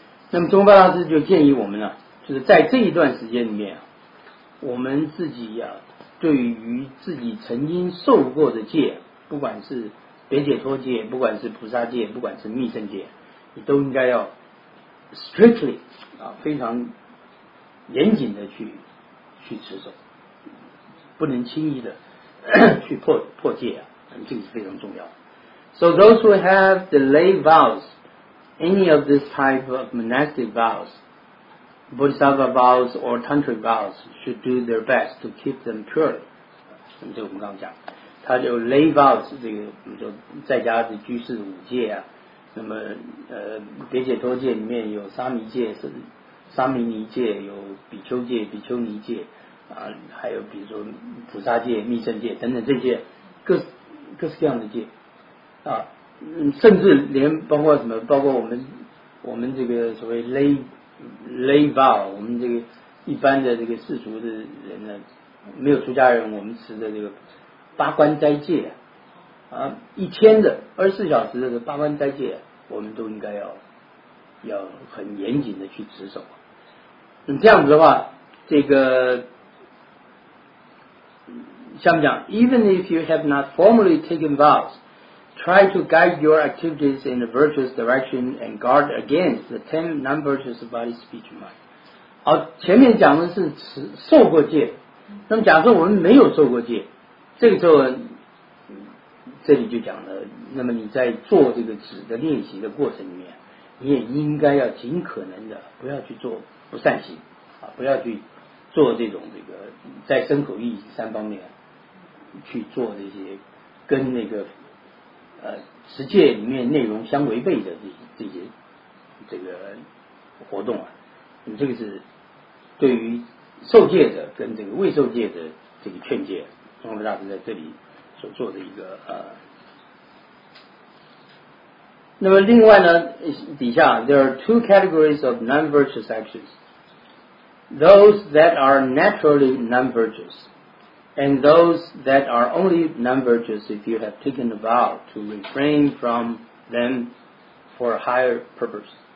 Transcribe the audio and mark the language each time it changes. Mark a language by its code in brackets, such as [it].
[zh] 那么中文大师就建议我们呢、啊，就是在这一段时间里面、啊、我们自己啊对于自己曾经受过的戒，不管是别解脱戒，不管是菩萨戒，不管是密圣戒，你都应该要 strictly 啊，非常严谨的去持守，不能轻易的去破戒啊，这个是非常重要。 [en] So those who have the lay vows, any of this type of monastic vows. Bodhisattva vows or tantric vows should do their best to keep them pure. [zh] 这我们刚刚讲，他就 lay vows 这个，我们就在家的居士五戒啊，那么别解脱戒里面有沙弥戒、沙弥尼戒，有比丘戒、比丘尼戒啊，还有比如说菩萨戒、密圣戒等等这些各式各样的戒啊，甚至连包括什么，包括我们这个所谓 lay vow， 我们这个一般的这个世俗的人呢，没有出家人，我们持的这个八关斋戒啊，一天的24小时的八关斋戒，我们都应该要很严谨的去持守。那这样子的话，这个像讲 [en] ，even if you have not formally taken vows, try to guide your activities in a virtuous direction and guard against the 10 non-virtuous body, speech, mind. [zh] 好，前面讲的是受过戒，那么假设我们没有受过戒，这个时候这里就讲了，那么你在做这个止的练习的过程里面，你也应该要尽可能的不要去做不善行啊，不要去做这种这个在身口意三方面去做这些跟那个持戒里面内容相违背的这些这个活动啊。这个是对于受戒者跟这个未受戒的这个劝戒，中文大师在这里所做的一个那么另外呢，底下 [en] There are two categories of non-virtuous actions, those that are naturally non-virtuous and those that are only non-virtuous if you have taken a vow to refrain from them for a higher purpose.